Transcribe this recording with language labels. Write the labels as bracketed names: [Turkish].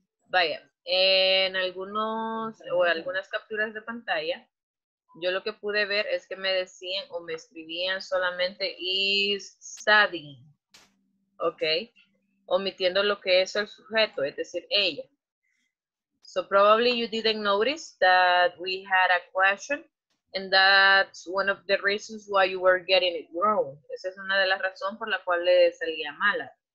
[Spanish] Vaya, en algunos o algunas capturas de pantalla, yo lo que pude ver es que me decían o me escribían solamente [English] is studying. [Spanish] Okay. Omitiendo lo que es el sujeto, es decir, ella. [English] So probably you didn't notice that we had a question, and that's one of the reasons why you were getting it wrong. [Spanish] Esa es una de las razones por la cual le salía mala.